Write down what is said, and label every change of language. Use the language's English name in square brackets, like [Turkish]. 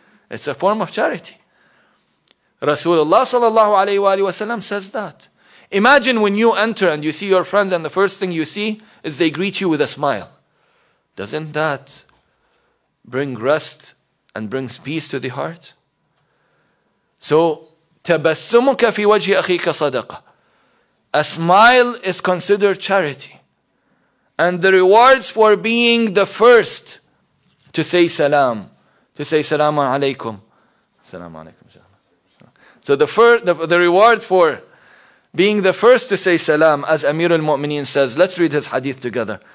[English] It's a form of charity. Rasulullah sallallahu alaihi wasallam says that. Imagine when you enter and you see your friends, and the first thing you see is they greet you with a smile. Doesn't that bring rest and brings peace to the heart? [Arabic] So, تَبَسُّمُكَ فِي وَجْهِ أَخِيكَ صَدَقَ. [English] A smile is considered charity. And the rewards for being the first to say salam, to say salamu alaykum. Salamu alaykum. So the reward for being the first to say salam, as Amir al-Mu'mineen says, let's read his hadith together.